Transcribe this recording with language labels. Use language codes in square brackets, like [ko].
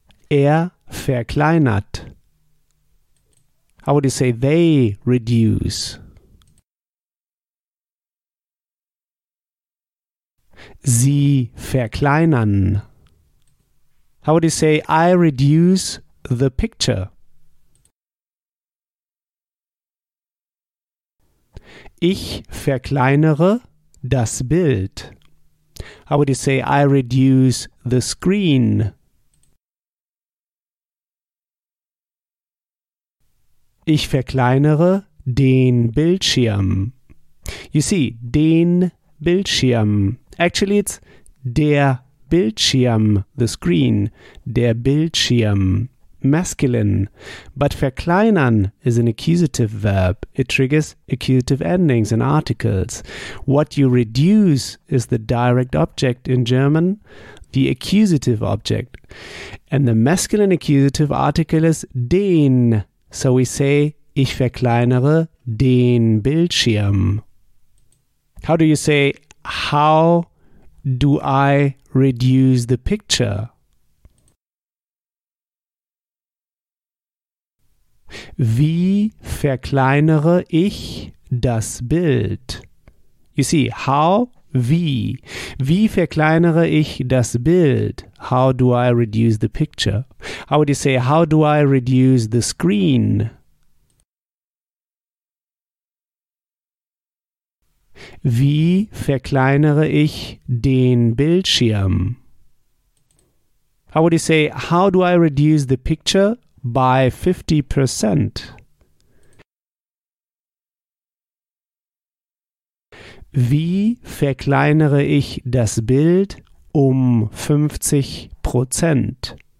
[de] Er verkleinert. [en] How would you say they reduce? [de] Sie verkleinern. [en] How would you say I reduce the picture? [de] Ich verkleinere das Bild. [en] How would you say I reduce the screen? [de] Ich verkleinere den Bildschirm. [en] You see, [de] den Bildschirm. [en] Actually, it's [de] der Bildschirm, [en] the screen. [de] Der Bildschirm, masculine. [en] But verkleinern is an accusative verb. It triggers accusative endings and articles. What you reduce is the direct object in German, the accusative object. And the masculine accusative article is den. So we say, [de] ich verkleinere den Bildschirm. [en] How do you say, how do I reduce the picture? [de] Wie verkleinere ich das Bild? [en] You see, how, [de] wie. Wie verkleinere ich das Bild? [en] How do I reduce the picture? How would you say, how do I reduce the screen? [de] Wie verkleinere ich den Bildschirm? [en] How would you say, how do I reduce the picture by 50%? [de] Wie verkleinere ich das Bild um 50%?